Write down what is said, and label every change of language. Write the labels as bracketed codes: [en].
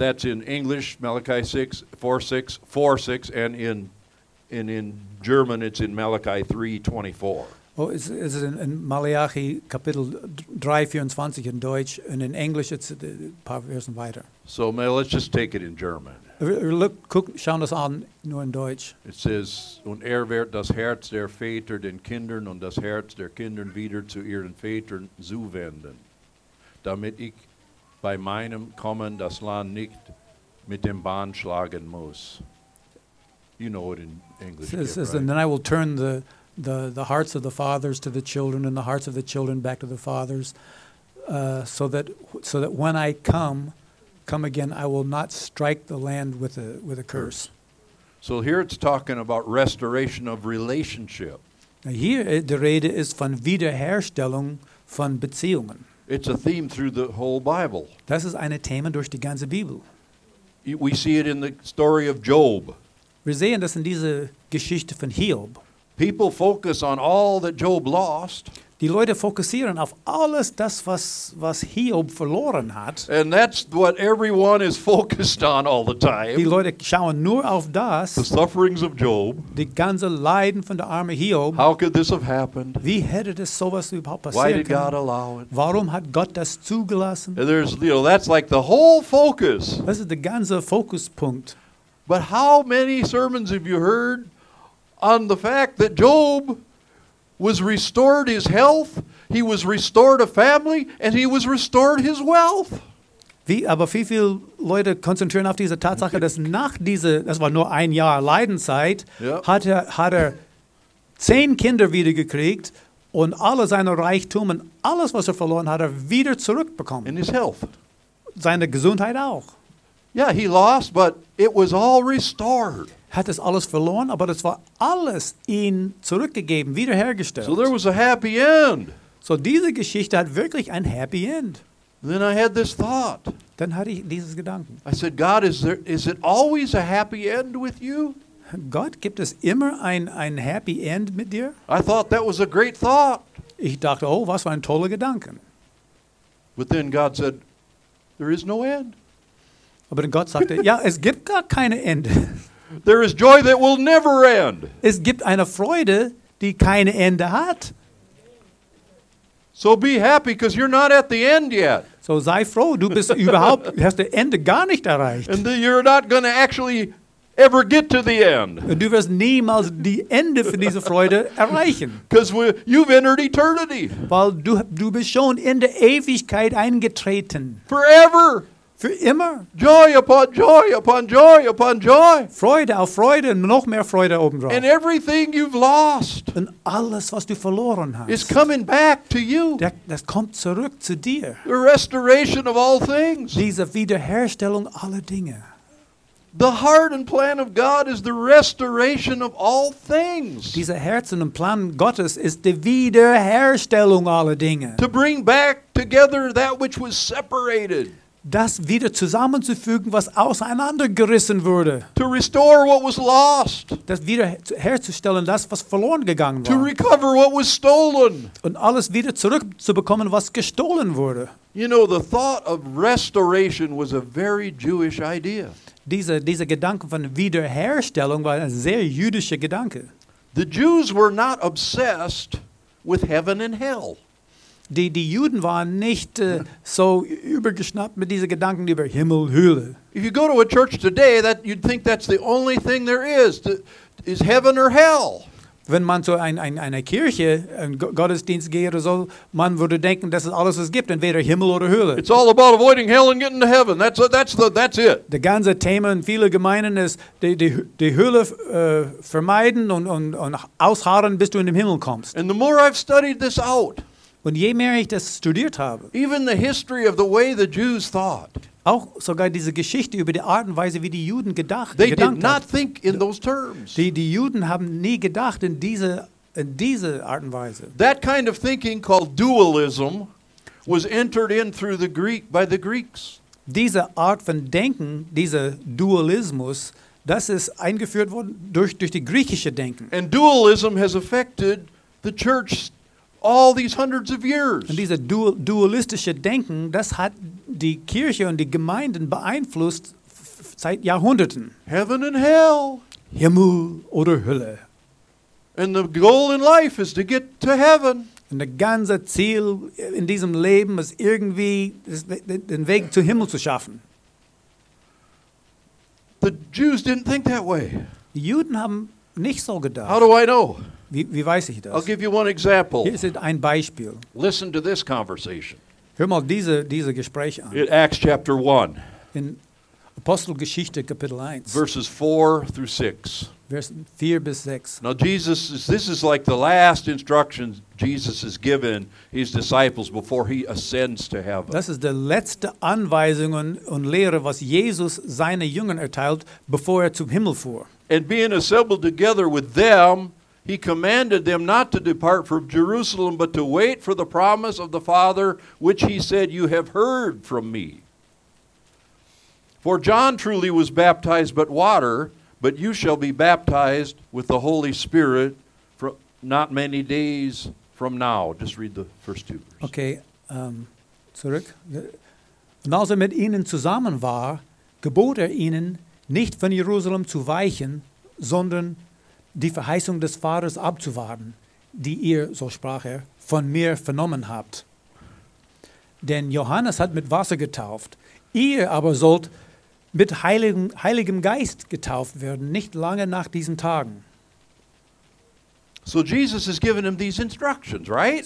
[en] That's in English, Malachi 6, 4:6, 4:6, and in German it's in Malachi 3:24. Oh, is it in Malachi Kapitel 3:24 in Deutsch, and in English it's [de] a paar Versen weiter. [en] So man, let's just take it in German. [de] Schauen das an, nur in Deutsch. [en] It says, [de] und wird das Herz der Väter den Kindern und das Herz der Kindern wieder zu ihren Vätern zuwenden, damit ich bei meinem Kommen das Land nicht mit dem Bahn schlagen muss. [en] You know it in English. It says, right? And then I will turn the hearts of the fathers to the children and the hearts of the children back to the fathers, so that when I come again, I will not strike the land with a curse. So here it's talking about restoration of relationship. Now here the [de] rede ist von Wiederherstellung von Beziehungen. [en] It's a theme through the whole Bible. [de] Das ist eine Thema durch die ganze Bibel. [en] We see it in the story of Job. [de] Wir sehen das in dieser Geschichte von Hiob. [en] People focus on all that Job lost. [de] Die Leute fokussieren auf alles das, was Hiob verloren hat. [en] And that's what everyone is focused on all the time. [de] Die Leute schauen nur auf das. [en] The sufferings of Job. [de] Die ganze Leiden von der arme Hiob. [en] How could this have happened? [de] Wie hätte das sowas überhaupt passieren können? [en] Why did God allow it? [de] Warum hat Gott das zugelassen? [en] And there's, you know, that's like the whole focus. [de] Das ist der ganze Fokuspunkt. [en] But how many sermons have you heard on the fact that Job was restored his health, he was restored a family, and he was restored his wealth? [de] Aber wie viele Leute konzentrieren auf diese Tatsache, dass nach dieser, das war nur ein Jahr Leidenszeit, hat er 10 Kinder wiedergekriegt und alle seine Reichtum und alles, was er verloren hat, wieder zurückbekommen. [en] In his health. [de] Seine Gesundheit auch. [en] Yeah, he lost, but it was all restored. [de] Hat es alles verloren, aber es war alles ihm zurückgegeben, wiederhergestellt. [en] So there was a happy end. [de] So diese Geschichte hat wirklich ein happy end. [en] And then I had this thought. [de] Dann hatte ich dieses Gedanken. [en] I said, God, is it always a happy end with you? [de] Gott, gibt es immer ein happy end mit dir? [en] I thought that was a great thought. [de] Ich dachte, oh, was für ein toller Gedanke. [en] But then God said, there is no end. [de] Aber Gott sagte, ja, es gibt gar keine Ende. [en] There is joy that will never end. [de] Es gibt eine Freude, die keine Ende hat. [en] So be happy, because you're not at the end yet. [de] So sei froh, du bist überhaupt, hast das Ende gar nicht erreicht. [en] And you're not going to actually ever get to the end. [de] Und du wirst niemals die Ende für diese Freude erreichen. [en] Because you've entered eternity. [de] Weil du bist schon in der Ewigkeit eingetreten. [en] Forever. [de] Für immer. [en] Joy upon joy upon joy upon joy. [de] Freude auf Freude und noch mehr Freude obendrauf. [en] And everything you've lost. [de] Und alles, was du verloren hast. [en] Is coming back to you. [de] Das kommt zurück zu dir. [en] The restoration of all things. [de] Diese Wiederherstellung aller Dinge. [en] The heart and plan of God is the restoration of all things. [de] Dieser Herzen und Plan Gottes ist die Wiederherstellung aller Dinge. [en] To bring back together that which was separated. [de] Das wieder zusammenzufügen, was auseinandergerissen wurde. [en] To restore what was lost. [de] Das wieder herzustellen, das, was verloren gegangen war. [en] To recover what was stolen. [de] Und alles wieder zurückzubekommen, was gestohlen wurde. [en] You know, the thought of restoration was a very Jewish idea. [de] Dieser Gedanke von Wiederherstellung war ein sehr jüdischer Gedanke. [en] The Jews were not obsessed with heaven and hell. [de] Die Juden waren nicht so übergeschnappt mit diesen Gedanken über Himmel, Hölle. [en] If you go to a church today, that you'd think that's the only thing there is heaven or hell. [de] Wenn man zu einer Kirche, einen Gottesdienst geht oder so, man würde denken, das ist alles, was es gibt, entweder Himmel oder Hölle. [en] It's all about avoiding hell and getting to heaven. That's it. [de] Der ganze Thema in vielen Gemeinden ist, die Hölle vermeiden und ausharren, bis du in den Himmel kommst. [en] And the more I've studied this out, [de] und je mehr ich das studiert habe, [en] even the history of the way the Jews thought, [de] auch sogar diese Geschichte über die Art und Weise, wie die Juden gedacht haben, [en] they did not think in those terms. [de] Die Juden haben nie gedacht in diese Art und Weise. [en] That kind of thinking called dualism was entered in through the Greek by the Greeks. [de] Diese Art von Denken, dieser Dualismus, das ist eingeführt worden durch die griechische Denken. [en] And dualism has affected the church all these hundreds of years. [de] Und dieser dualistische Denken, das hat die Kirche und die Gemeinden beeinflusst seit Jahrhunderten. [en] Heaven and hell. [de] Himmel oder Hölle. [en] And the goal in life is to get to heaven. [de] Und das ganze Ziel in diesem Leben ist irgendwie den Weg zum Himmel zu schaffen. [en] The Jews didn't think that way. [de] Die Juden haben nicht so gedacht. [en] How do I know? [de] Wie weiß ich das? [en] I'll give you one example. [de] Hier ist ein Beispiel. [en] Listen to this conversation. [de] Hör mal diese Gespräche an. [en] In Acts chapter 1. [de] In Apostelgeschichte Kapitel 1. [en] Verses 4 through 6. [de] Versen 4 bis 6. [en] Now Jesus, this is like the last instruction Jesus has given his disciples before he ascends to heaven. [de] Das ist die letzte Anweisung und Lehre, was Jesus seinen Jüngern erteilt, bevor er zum Himmel fuhr. [en] And being assembled together with them, he commanded them not to depart from Jerusalem, but to wait for the promise of the Father, which he said, you have heard from me. For John truly was baptized but water, but you shall be baptized with the Holy Spirit from not many days from now. Just read the first two verses. [de] Okay, zurück. Und als er mit ihnen zusammen war, gebot er ihnen, nicht von Jerusalem zu weichen, sondern die Verheißung des Vaters abzuwarten, die ihr, so sprach er, von mir vernommen habt. Denn Johannes hat mit Wasser getauft, ihr aber sollt mit Heiligem Geist getauft werden, nicht lange nach diesen Tagen. [en] So Jesus has given him these instructions, right?